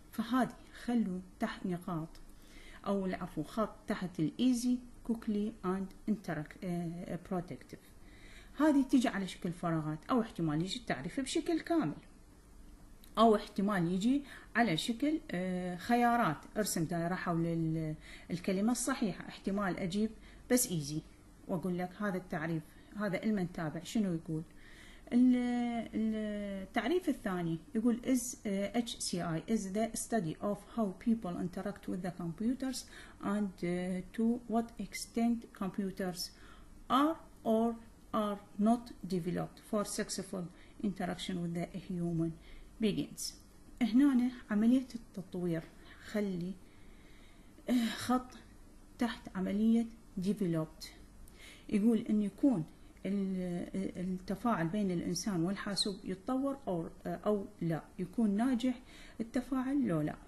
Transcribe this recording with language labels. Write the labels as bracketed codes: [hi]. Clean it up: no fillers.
[ar] فهذه خلوا تحت نقاط، أو العفو خط تحت الإيزي، كوكلي أند بروتكتيف، هذه تيجي على شكل فراغات، أو احتمال يجي التعريف بشكل كامل، أو احتمال يجي على شكل خيارات، ارسم دائرة حول الكلمة الصحيحة، احتمال أجيب بس إيزي وأقول لك هذا التعريف، هذا المن تابع شنو يقول. [en] التعريف الثاني يقول is HCI is the study of how people interact with the computers and to what extent computers are or are not developed for successful interaction with the human begins. [ar] هنا عملية التطوير خلي خط تحت عملية developed، يقول ان يكون التفاعل بين الانسان والحاسوب يتطور او لا، يكون ناجح التفاعل لو لا.